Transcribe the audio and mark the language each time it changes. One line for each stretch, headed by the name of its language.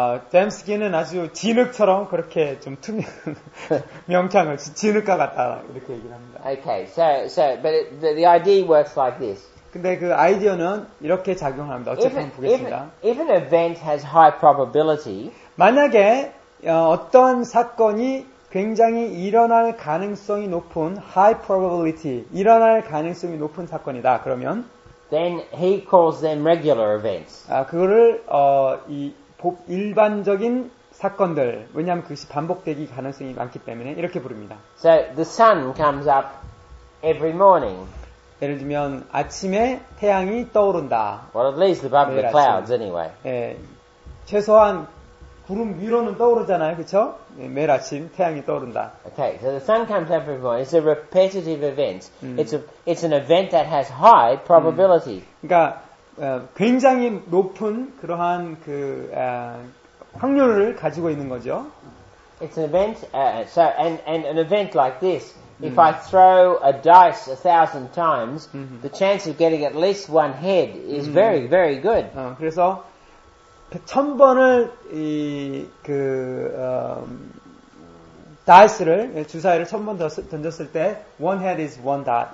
Korean: 뎀스키는 아주 진흙처럼 그렇게 좀 명창을 진흙과 같다 이렇게 얘기를 합니다.
English: Okay, so but the idea works like this.
Korean: 근데 그 아이디어는 이렇게 작용합니다. 어쨌든 보겠습니다.
English: If an event has high probability,
Korean: 만약에 어떤 사건이 굉장히 일어날 가능성이 높은
English: high probability
Korean: 일어날 가능성이 높은 사건이다. 그러면
English: then he calls them regular events.
Korean: 그거를 일반적인 사건들 왜냐하면 그것이 반복되기 가능성이 많기 때문에 이렇게 부릅니다.
English: So the sun comes up every morning.
Korean: 예를 들면 아침에 태양이 떠오른다.
English: Well, at least above the clouds anyway.
Korean: 예, 최소한 구름 위로는 떠오르잖아요, 그렇죠? 매일 아침 태양이 떠오른다.
English: Okay, so the sun comes up every morning. It's a repetitive event. It's an event that has high probability.
Korean: 그러니까 굉장히 높은 그러한 그 확률을 가지고 있는 거죠.
English: It's an event. So an event like this If I throw a dice 1,000 times, the chance of getting at least one head is very, very good.
Korean: 어, 그래서 1,000번을 이 그 dice를 주사위를 1,000번 던졌을 때
English: one head is one dot.